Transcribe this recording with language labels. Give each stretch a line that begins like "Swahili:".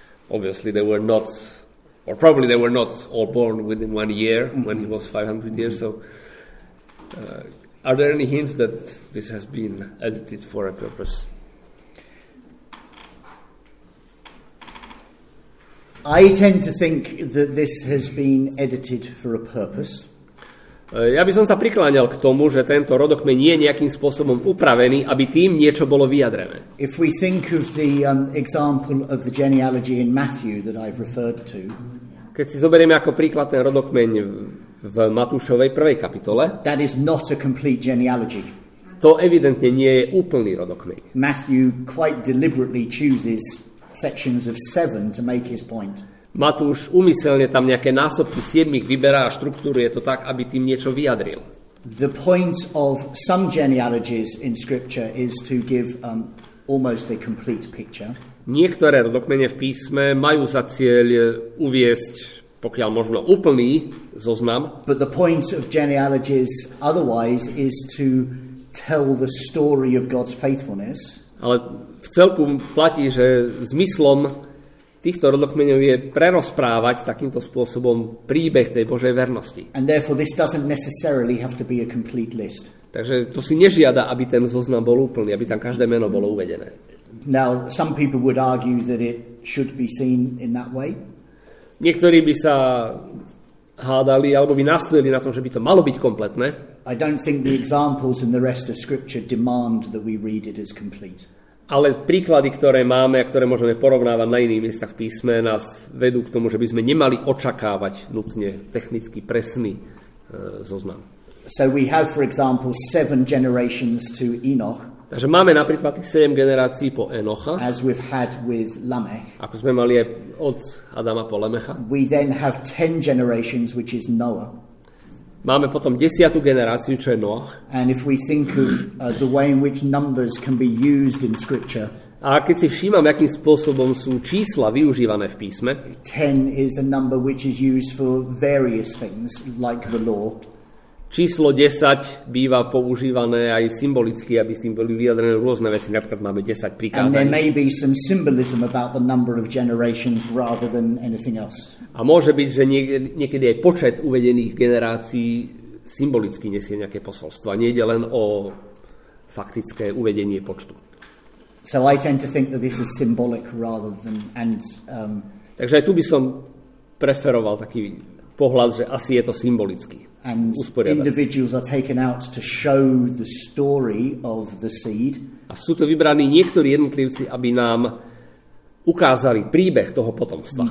English: Obviously, they were not, or probably they were not all born within 1 year, when he was 500 years. So, are there any hints that this has been edited for a purpose? I tend to think that this has been edited for a purpose.
Slovak: Ja by som sa prikláňal k tomu, že tento rodokmeň nie je nejakým spôsobom upravený, aby tým niečo bolo vyjadrené.
English: If we think of the example of the genealogy in Matthew that I've referred to.
Slovak: Keď si zoberieme ako príklad ten rodokmeň v Matúšovej prvej kapitole.
English: That is not a complete genealogy.
Slovak: To evidentne nie je úplný rodokmeň.
English: Matthew quite deliberately chooses sections of 7 to make his point.
Slovak: Matúš úmyselne tam nejaké násobky 7 vyberá a štruktúruje to tak, aby tým niečo vyjadril.
English: The point of some genealogies in scripture is to give almost a complete picture.
Slovak: Niektoré rodokmene v písme majú za cieľ uviesť, pokiaľ možno úplný zoznam.
English: But the point of genealogies otherwise is to tell the story of God's faithfulness.
Slovak: Ale v celku platí, že zmyslom týchto rodokmeňov je prerozprávať takýmto spôsobom príbeh tej Božej vernosti.
English: And therefore this doesn't necessarily have to be a complete list.
Slovak: Takže to si nežiada, aby ten zoznam bol úplný, aby tam každé meno bolo uvedené.
English: Now some people would argue that it should be seen in that way.
Slovak: Niektorí by sa hádali alebo by nastojili na tom, že by to malo byť kompletné.
English: I don't think the examples in the rest of scripture demand that we read it as complete.
Slovak: Ale príklady, ktoré máme a ktoré môžeme porovnávať na iných miestach písme, nás vedú k tomu, že by sme nemali očakávať nutne technicky presný zoznam.
English: So we have, for example, 7 generations to Enoch.
Slovak: Takže máme napríklad tých 7 generácií po Enocha.
English: As we've had with Lamech.
Slovak: Ako sme mali aj od Adama po Lamecha.
English: We then have 10 generations, which is Noah.
Slovak: Máme potom 10. generáciu, čo je Noach.
English: And if we think of the way in which numbers can be used in scripture.
Slovak: A keď si všímam, akým spôsobom sú čísla využívané v písme.
English: 10 is a number which is used for various things like the law.
Slovak: Číslo 10 býva používané aj symbolicky, aby s tým boli vyjadrené rôzne veci. Napríklad máme 10 prikázaní.
English: And there may be some symbolism about the number of generations rather than anything else.
Slovak: A môže byť, že niekedy aj počet uvedených generácií symbolicky nesie nejaké posolstvo. A nie je len o faktické uvedenie počtu.
English: So I tend to think that this is symbolic rather than...
Slovak: Takže aj tu by som preferoval taký pohľad, že asi je to symbolicky.
English: And individuals are taken out to show the story of the seed.
Slovak: A sú to vybraní niektorí jednotlivci, aby nám ukázali príbeh toho potomstva.